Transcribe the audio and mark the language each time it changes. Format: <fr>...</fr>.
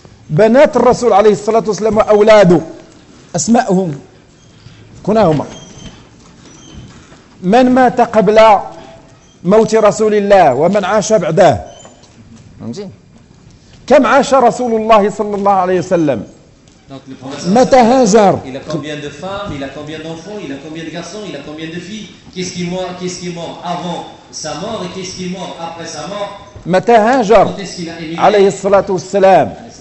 <ar>بنات الرسول عليه الصلاة والسلام وأولاده أسماءهم كناهما. من مات قبل موت رسول الله ومن عاش بعده؟ كم عاش رسول الله صلى الله عليه وسلم؟ متى هاجر؟</ar> <fr>il a combien de femmes, il a combien d'enfants, il a combien de garçons, il a combien de filles? qu'est-ce qui est mort avant sa mort et qu'est-ce qui est mort après sa mort?</fr> <ar>متى هاجر؟ عليه الصلاة والسلام.</ar>